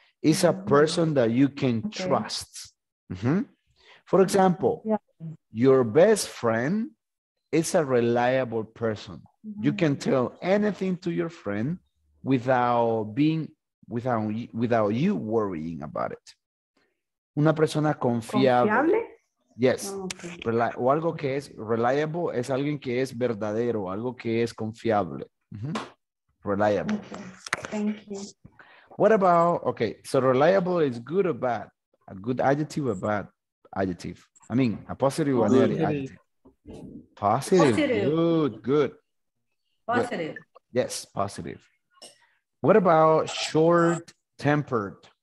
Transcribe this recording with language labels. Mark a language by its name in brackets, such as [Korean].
[English] It's a person that you can trust. Mm-hmm. For example, your best friend is a reliable person. Mm-hmm. You can tell anything to your friend without you worrying about it. [Spanish] Una persona confiable. ¿Confiable? [English] Yes. Okay. [Spanish] O algo que es reliable es alguien que es verdadero, algo que es confiable. [English] Mm-hmm. Reliable. Okay. Thank you. What about, okay, so reliable is good or bad? A good adjective or bad adjective? I mean, a positive or negative adjective? Positive. Good. Positive. Yes, positive. What about short-tempered?